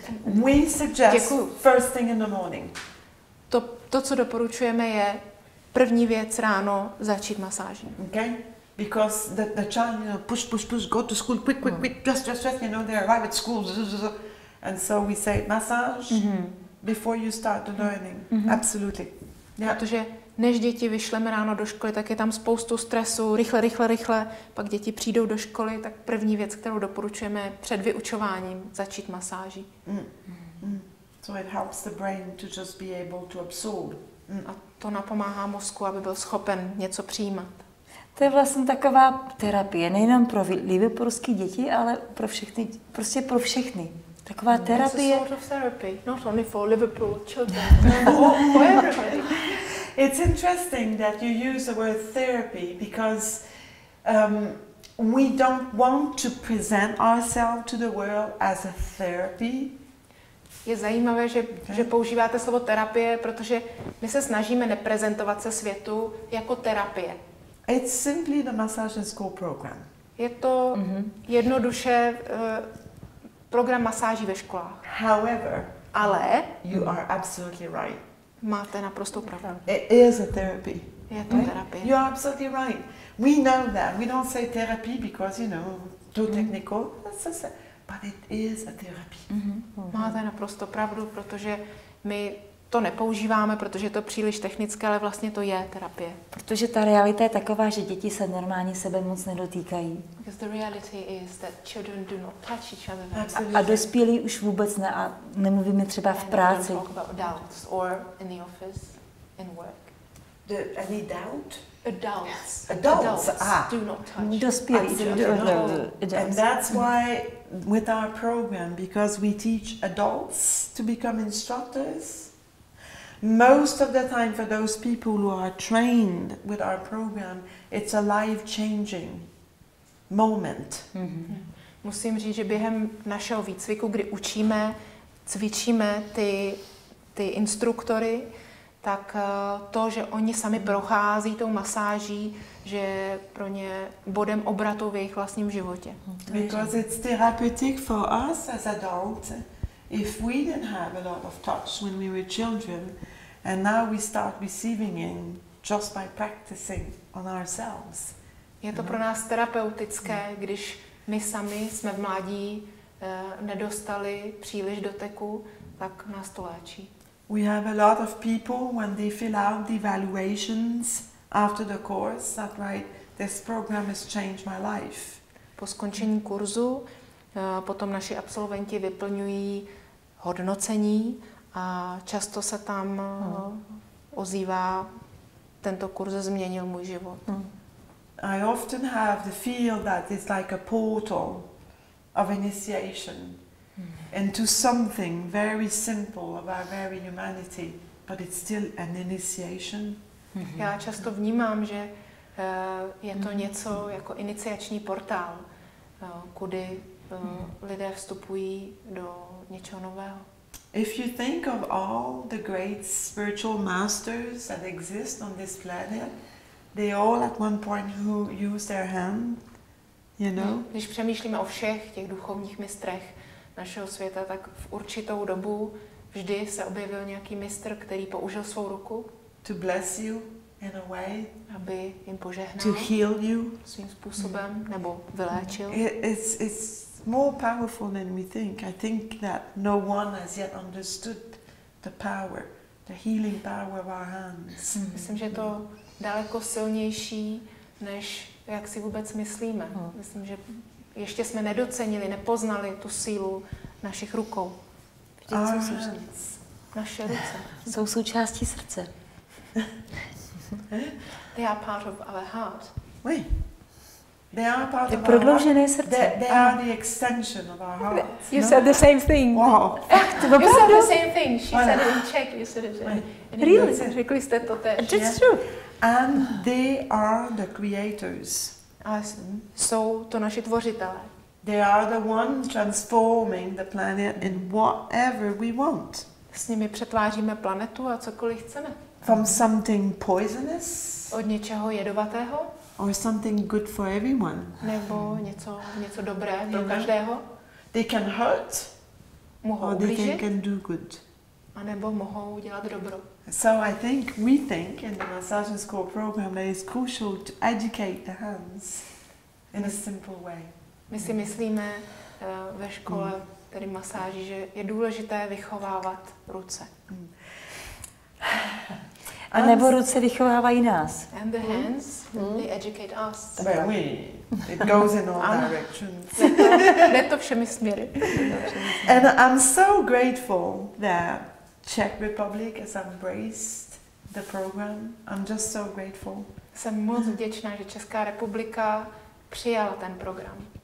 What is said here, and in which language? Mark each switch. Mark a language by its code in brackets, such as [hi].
[en] We suggest first thing in the morning. [cs] To, co doporučujeme, je první věc ráno začít masáží. [en] Okay? Because the child, you know, push, go to school, quick, just, you know, they arrive at school. And so we say massage before you start the learning. Mm-hmm. Absolutely. Yeah. [cs] Protože než děti vyšleme ráno do školy, tak je tam spoustu stresu, rychle, pak děti přijdou do školy, tak první věc, kterou doporučujeme před vyučováním, začít masáží. [en] So it helps the brain to just be able to absorb. [cs] A to napomáhá mozku, aby byl schopen něco přijímat. To je vlastně taková terapie, nejenom pro liverpoolské děti, ale pro všechny, prostě pro všechny. Taková terapie. [en] It's a sort of therapy, not only for Liverpool children, for everybody. It's interesting that you use the word therapy because we don't want to present ourselves to the world as a therapy. [cs] Je zajímavé, že používáte slovo terapie, protože my se snažíme neprezentovat se světu jako terapie. [en] It's simply the massage and school program. [cs] Je to jednoduše program masáží ve školách. [en] However, [cs] ale [en] you are absolutely right. [cs] Máte naprosto pravdu. [en] It is a therapy. [cs] Je to terapie. [en] You are absolutely right. We know that. We don't say therapy because, you know, too technical. But it is a therapy. Mm-hmm. [cs] Máte naprosto pravdu, protože my to nepoužíváme, protože je to příliš technické, ale vlastně to je terapie. Protože ta realita je taková, že děti se normálně sebe moc nedotýkají. [en] Because the reality is that children do not touch each other. [cs] A dospělí už vůbec ne, a nemluvíme třeba v práci. [en] And we don't talk about adults or in the office, in work. Any doubt? Adults. Do not touch. [cs] Dospělí. [en] And that's why with our program, because we teach adults to become instructors, most of the time for those people who are trained with our program, it's a life-changing moment. Mm-hmm. [cs] Musím říct, že během našeho výcviku, kdy cvičíme ty instruktory, tak to, že oni sami prochází tou masáží, že je pro ně bodem obratu v jejich vlastním životě. [en] Because it's therapeutic for us as adults, if we didn't have a lot of touch when we were children, and now we start receiving it just by practicing on ourselves. [cs] Je to pro nás terapeutické, když my sami jsme v mládí nedostali příliš doteku, tak nás to léčí. [en] We have a lot of people when they fill out the evaluations after the course that write, this program has changed my life. [cs] Po skončení kurzu potom naši absolventi vyplňují hodnocení a často se tam ozývá, tento kurz změnil můj život. [en] I often have the feel that it's like a portal of initiation into something very simple of our very humanity, but it's still an initiation. [cs] Já často vnímám, že je to něco jako iniciační portál, kudy lidé vstupují do něčeho nového. [en] If you think of all the great spiritual masters that exist on this planet, they all at one point who use their hand, you know? [cs] Když přemýšlíme o všech těch duchovních mistrech našeho světa, tak v určitou dobu vždy se objevil nějaký mistr, který použil svou ruku [en] to bless you in a way, [cs] aby jim požehnal, [en] to heal you [cs] svým způsobem nebo vyléčil. [en] It's more powerful than we think. I think that no one has yet understood the power, the healing power of our hands. [cs] Myslím, že to daleko silnější, než jak si vůbec myslíme. Myslím, že ještě jsme nedocenili, nepoznali tu sílu našich rukou. Naše ruce. Jsou součástí srdce. [en] They are part of our heart. [fr] Oui. [en] They are part of [cs] prodloužené srdce. [en] They are the extension of our hearts. You said the same thing. Wow. You said the same thing. She said it in Czech. You said it in really? [cs] Řekli jste to tež. [en] It's true. And they are the creators. [cs] Jsou to naši tvořitelé. [en] They are the one transforming the planet in whatever we want. [cs] S nimi přetváříme planetu a cokoliv chceme. [en] From something poisonous? [cs] Od něčeho jedovatého? [en] Or something good for everyone? [cs] Nebo něco dobré pro každého? [en] They can hurt. [cs] Mohou ublížit. [en] They can do good. [cs] A nebo mohou dělat dobro. [en] So I think we think in the massage and score program that it's crucial to educate the hands in a simple way. [cs] My si myslíme ve škole tedy masáží, že je důležité vychovávat ruce. A nebo ruce vychovávají nás. [en] And the hands, they educate us. But we, it goes in all directions. [cs] Jde to všemi směry. [en] And I'm so grateful that Czech Republic has embraced the program. I'm just so grateful. [cs] Jsem moc vděčná, že Česká republika přijala ten program.